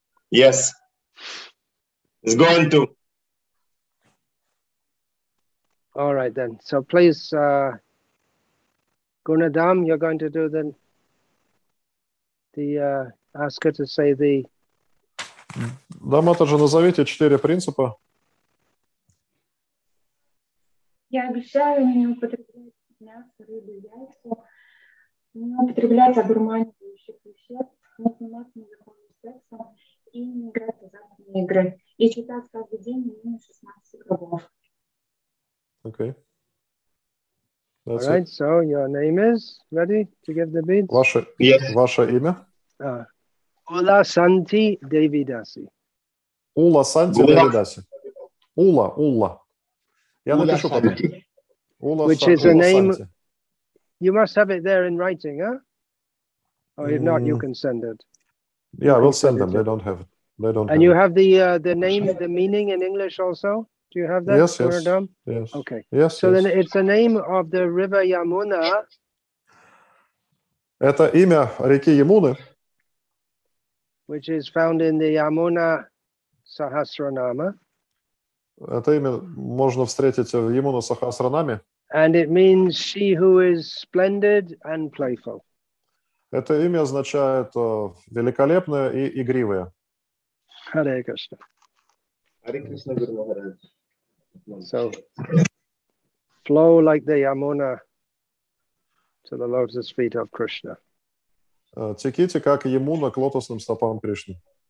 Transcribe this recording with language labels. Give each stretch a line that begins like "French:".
English: Yes. It's going to. All right, then. So please, Gunadam, you're going to do the ask her to say the...
Russian: Да, Матаджа, назовите четыре принципа. Я обещаю не употреблять мясо, рыбу, яйцо, не употреблять обурманивающих веществ, не заниматься незаконным сексом и не играть в азартные игры. И читать каждый день минимум 16 кругов. Окей.
English: Okay. All right, so your name is ready to give the beads?
Russian: Ваше,
English: yes.
Russian: Ваше имя? Ула Санти Девидаси. Ула Санти Девидаси. Ула, Ула. Я напишу потом. Ула
English: Санти. Which is a name... You must have it there in writing, huh? Or if not, you can send it. Yeah, we'll send them. They don't have it. They don't And you have the name, the meaning in English also? Do you have that? Yes, yes. Okay. Yes, so then it's the name of the river Yamuna.
Russian: Это имя реки Ямуны.
English: Which is found in the Yamuna Sahasranama.
Russian: Это имя можно встретить в Ямуна Сахасранаме.
English: And it means she who is splendid and playful.
Russian: Это имя означает великолепная и игривая.
English: Hare Krishna. Hare Krishna, Guru Maharaj. So, flow like the Yamuna to the lotus feet of Krishna.
Russian: Теките, как ему на лотосным стопам Кришны.